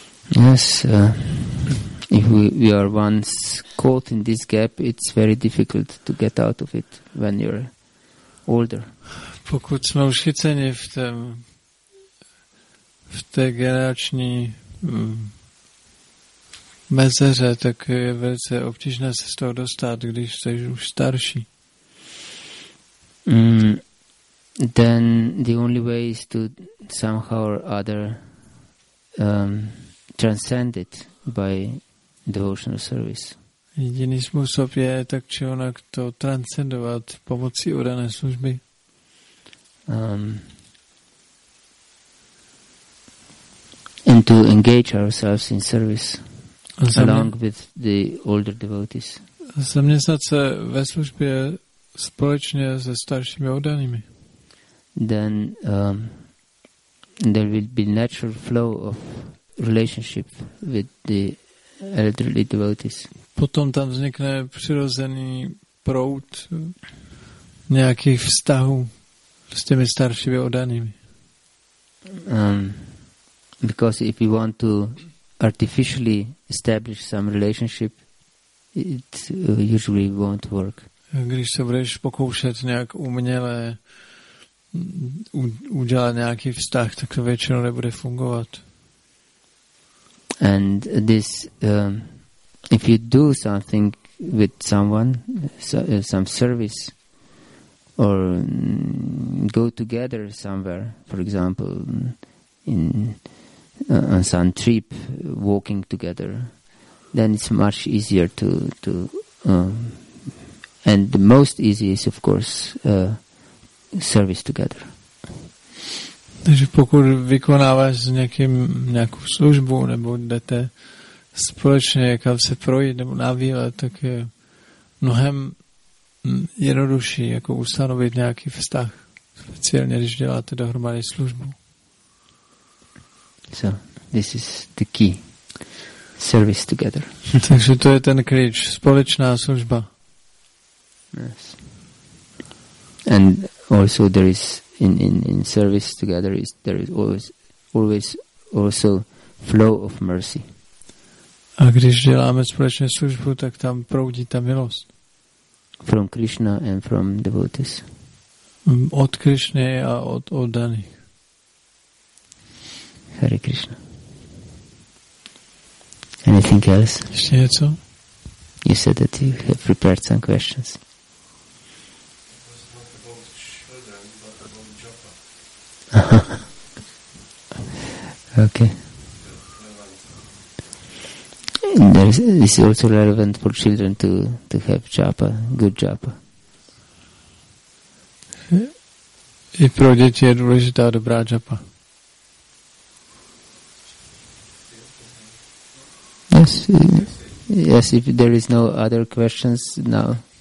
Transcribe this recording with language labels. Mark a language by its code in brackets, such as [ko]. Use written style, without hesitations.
[en] Yes, if we are once caught in this gap, it's very difficult to get out of it when you're older. [cs] Pokud jsme už chyceni v té generační mezeře, tak je velice obtížné se z toho dostat, když jsi už starší. [en] Then the only way is to somehow or other transcend it by devotional service. [cs] Jediný způsob je tak či onak to transcendovat pomocí udané služby. [en] And to engage ourselves in service along with the older devotees. [cs] Zaměstnat se ve službě společně se staršími oddanými. [en] Then there will be natural flow of relationship with the elderly devotees. [cs] Potom tam vznikne přirozený proud nějakých vztahů s těmi staršími oddanými. [en] Because if you want to artificially establish some relationship, it usually won't work. [cs] Když se budeš pokoušet nějak uměle udělat nějaký vztah, tak to většinou nebude fungovat. [en] And this if you do something with someone, some service, or go together somewhere, for example, in on some trip, walking together, then it's much easier to and the most easy is, of course, service together. [cs] Takže pokud vykonáváš s někým nějakou službu nebo jdete společně někam se projít nebo na výlet, tak je mnohem jednodušší jako ustanovit nějaký vztah, speciálně když děláte dohromady službu. [en] So, this is the key. Service together. [cs] Takže to je ten klíč, společná služba. [en] Yes. And also there is in service together is there is always also flow of mercy. [cs] A když děláme společně službu, tak tam proudí ta milost. [en] From Krishna and from devotees. [cs] Od Krishny a od oddaných. [en] Hare Krishna. Anything else? [cs] Ještě něco? [en] You said that you have prepared some questions. Okay. There is, this is also relevant for children to have japa, good japa. [cs] I pro děti je důležitá dobrá japa. [en] Yes, yes, if there is no other questions now.